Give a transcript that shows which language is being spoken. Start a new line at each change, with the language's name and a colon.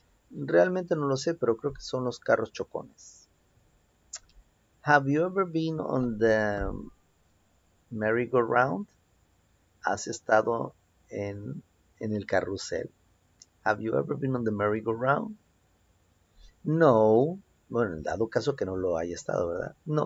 Spanish: Realmente no lo sé, pero creo que son los carros chocones.
English: Have you ever been on the merry-go-round?
Spanish: ¿Has estado en el carrusel?
English: Have you ever been on the merry-go-round? No.
Spanish: Bueno, en dado caso que no lo haya estado, ¿verdad?